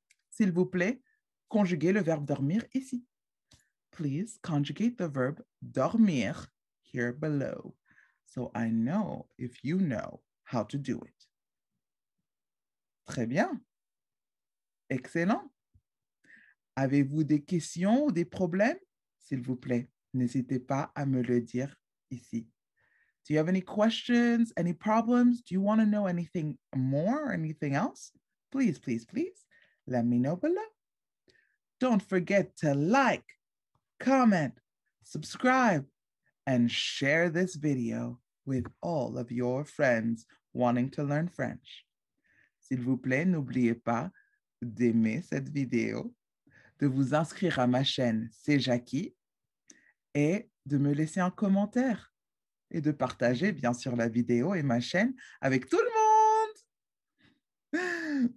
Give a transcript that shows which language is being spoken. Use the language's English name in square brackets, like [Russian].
[French] S'il vous plaît, conjuguez le verbe dormir ici. [English] Please conjugate the verb dormir here below. So I know if you know how to do it. [French] Très bien. Excellent. Avez-vous des questions ou des problèmes? S'il vous plaît, n'hésitez pas à me le dire ici. [English] Do you have any questions, any problems? Do you want to know anything more, anything else? Please, please, please, let me know below. Don't forget to like, comment, subscribe, and share this video with all of your friends wanting to learn French. [French] S'il vous plaît, n'oubliez pas d'aimer cette vidéo, de vous inscrire à ma chaîne C'est Jackie et de me laisser un commentaire et de partager, bien sûr, la vidéo et ma chaîne avec tout le monde!